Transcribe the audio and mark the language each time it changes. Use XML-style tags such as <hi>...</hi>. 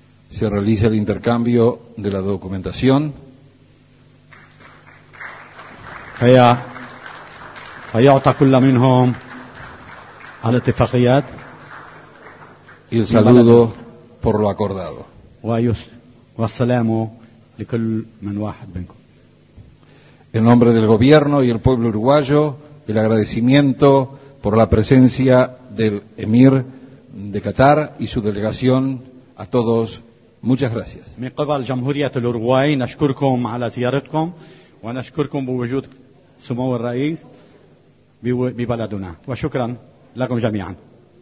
<es>Se realiza el intercambio de la documentación.</es> <ar>فيعطى كل منهم الاتفاقيات.</ar> <es>Y el saludo por lo acordado.</es> <ar>والسلام لكل من واحد منكم.</ar> <es>En nombre del gobierno y el pueblo uruguayo, el agradecimiento por la presencia del emir de Qatar y su delegación a todos. Muchas gracias.</es> <ar>من قبل جمهورية الأوروغواي نشكركم على زيارتكم ونشكركم بوجود سمو الرئيس ببلدنا وشكرا لكم جميعا.</ar>